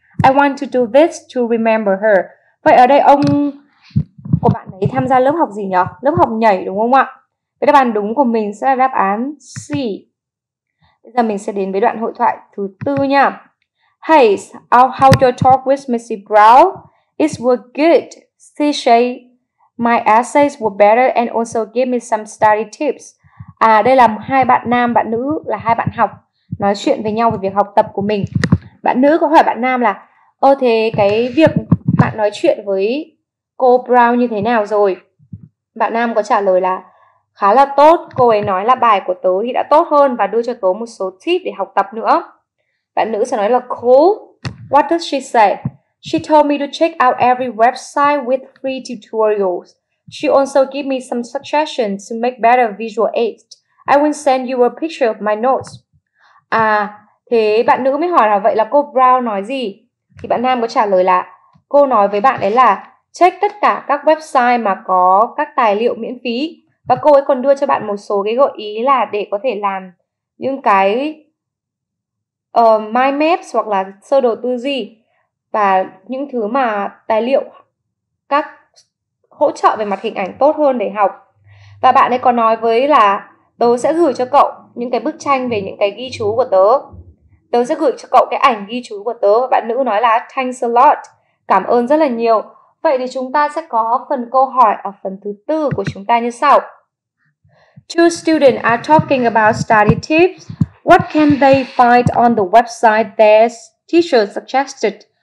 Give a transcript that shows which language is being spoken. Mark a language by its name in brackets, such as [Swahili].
[English] I want to do this to remember her. [Vietnamese] Vậy ở đây ông của bạn ấy tham gia lớp học gì nhỉ? Lớp học nhảy đúng không ạ? Cái đáp án đúng của mình sẽ là đáp án C. Bây giờ mình sẽ đến với đoạn hội thoại thứ tư nha. [English] Hey, how your talk with Missy Brown? It was good. She said my essays were better and also gave me some study tips. [Vietnamese] À, đây là hai bạn nam, bạn nữ, là hai bạn học nói chuyện với nhau về việc học tập của mình. Bạn nữ có hỏi bạn nam là ơ thế cái việc bạn nói chuyện với cô Brown như thế nào rồi? Bạn nam có trả lời là khá là tốt, cô ấy nói là bài của tớ thì đã tốt hơn và đưa cho tớ một số tip để học tập nữa. Bạn nữ sẽ nói là [English] cool. What does she say? She told me to check out every website with free tutorials. She also gave me some suggestions to make better visual aids. I will send you a picture of my notes. [Vietnamese] À, thế bạn nữ mới hỏi là vậy là cô Brown nói gì? Thì bạn nam có trả lời là cô nói với bạn ấy là check tất cả các website mà có các tài liệu miễn phí. Và cô ấy còn đưa cho bạn một số cái gợi ý là để có thể làm những cái mind maps hoặc là sơ đồ tư duy và những thứ mà tài liệu các hỗ trợ về mặt hình ảnh tốt hơn để học. Và bạn ấy còn nói với là tớ sẽ gửi cho cậu những cái bức tranh về những cái ghi chú của tớ. Tớ sẽ gửi cho cậu cái ảnh ghi chú của tớ và bạn nữ nói là [English] thanks a lot, [Vietnamese] cảm ơn rất là nhiều. Vậy thì chúng ta sẽ có phần câu hỏi ở phần thứ tư của chúng ta như sau. [English] Two students are talking about study tips. What can they find on the website their teacher suggested?